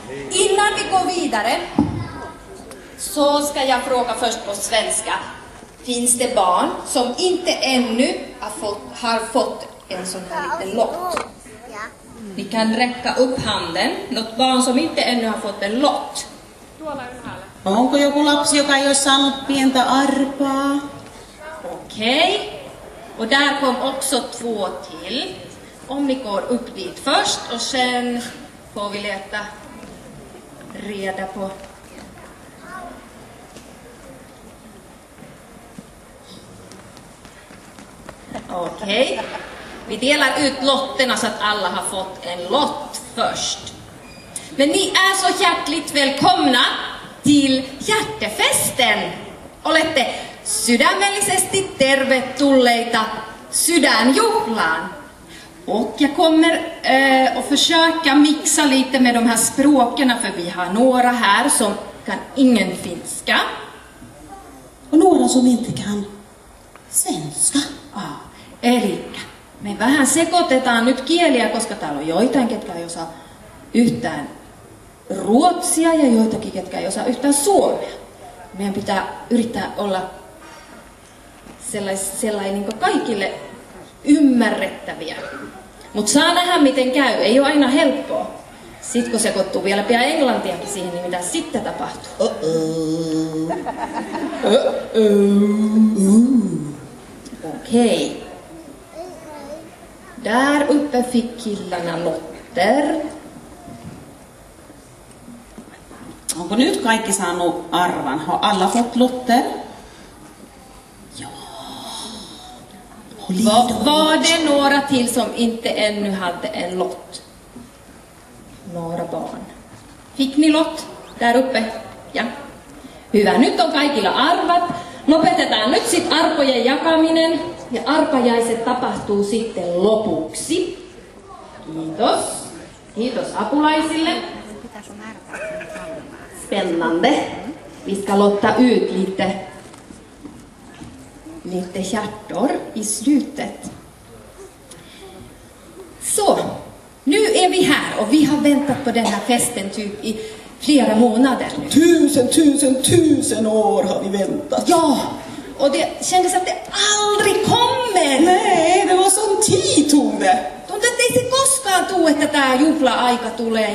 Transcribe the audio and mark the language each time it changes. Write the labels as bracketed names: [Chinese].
[Swedish] Innan vi går vidare så ska jag fråga först på svenska. Finns det barn som inte ännu har fått en sån här liten lott? Ni kan räcka upp handen. Något barn som inte ännu har fått en lott. [Finnish] Onko joku lapsi, joka ei ole saanut pientä arpaa? [Swedish] Okej. Och där kom också två till. Om ni går upp dit först och sen får vi leta reda på. Okej. Vi delar ut lotterna så att alla har fått en lott först. Men ni är så hjärtligt välkomna till hjärtefesten. [Finnish] Olette sydämellisesti tervetulleita sydänjuhlaan. [Swedish] Och jag kommer att försöka mixa lite med de här språken, för vi har några här som kan ingen finska. Och några som inte kan svenska. Ja, Erika. [Finnish] Me vähän sekoitetaan nyt kieliä, koska täällä on joitain, ketkä ei osaa yhtään ruotsia ja joitakin, ketkä ei osaa yhtään suomea. Meidän pitää yrittää olla sellainen niin kuin kaikille ymmärrettäviä. Mutta saa nähdä, miten käy. Ei ole aina helppoa. Sitten kun sekoittuu vielä pian englantiakin siihen, niin mitä sitten tapahtuu? Okei. [Swedish] Där uppe fick killarna lotter. [Finnish] Onko nyt kaikki saanut arvan? [Swedish] Har alla fått lotter? [Finnish] Joo. [Swedish] Var det några till som inte ännu hade en lott? Några barn. Fick ni lott där uppe? Ja. [Finnish] Hyvä, nyt on kaikilla arvat. Lopetetaan nyt sit arpojen jakaminen. Ja arpajaiset tapahtuu sitten lopuksi. Kiitos. Kiitos apulaisille. [Swedish] Spännande. Vi ska låta ut lite hjärtor i slutet. Så, nu är vi här och vi har väntat på den här festen typ i flera månader. Tusen år har vi väntat. Ja. Och det kändes att det aldrig kommer. Nej, det var sån tid tog det. [Finnish] Tuntui, [Swedish] att det [Finnish] inte koskaan tuu, että tämä juhla-aika tulee.